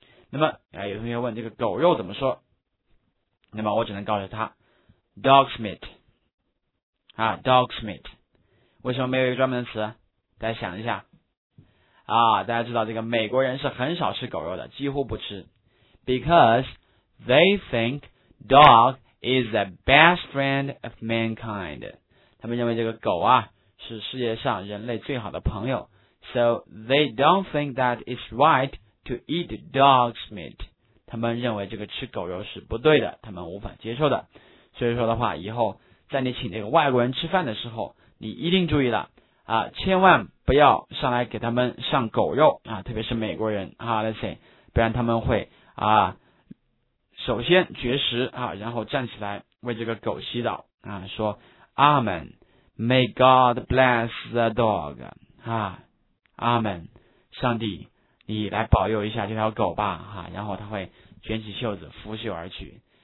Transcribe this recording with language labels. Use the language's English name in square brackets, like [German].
[Chinese] 那么有同学问这个狗肉怎么说，那么我只能告诉他 dog's meat 啊， dog's meat。为什么没有一个专门的词？大家想一下啊，大家知道这个美国人是很少吃狗肉的，几乎不吃。 [English] Because they think dog is the best friend of mankind， [Chinese] 他们认为这个狗啊是世界上人类最好的朋友。 [English] So they don't think that it's right to eat dog's meat， [Chinese] 他们认为这个吃狗肉是不对的，他们无法接受的。所以说的话，以后在你请这个外国人吃饭的时候，你一定注意了啊，千万不要上来给他们上狗肉啊，特别是美国人啊 ， [English] let's say， [Chinese] 不然他们会啊，首先绝食啊，然后站起来为这个狗祈祷啊，说 Amen， [English] May God bless the dog [Chinese] 啊 ，Amen， 上帝你来保佑一下这条狗吧哈、啊，然后他会卷起袖子拂袖而去。